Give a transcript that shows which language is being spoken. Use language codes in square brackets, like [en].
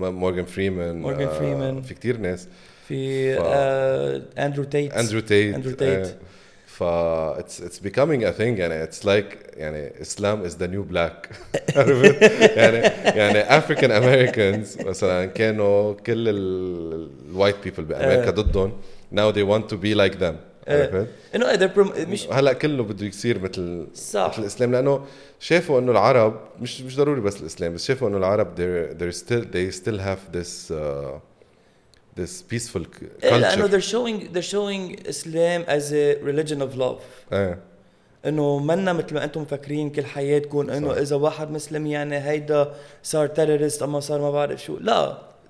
[ar] مورغان فريمان في كتير ناس في أندرو تيت [en] it's becoming a thing يعني it's like يعني Islam is the new black يعني African Americans [ar] مثلاً كانوا كل ال [en] white people [ar] بأمريكا ضدهم [en] now they want to be like them [ar] عرفت؟ إنه إذا مش هلا كله بده يصير مثل مثل الإسلام، لأنه شافوا إنه العرب مش ضروري بس الإسلام، بس شافوا إنه العرب [en] they still have this this peaceful culture. [ar] إيه لأنه [en] they're showing Islam as a religion of love. [ar] إيه. إنه منا مثل ما أنتم مفكرين كل حياتكم إنه إذا واحد مسلم يعني هيدا صار تيرورست أما صار ما بعرف شو، لا.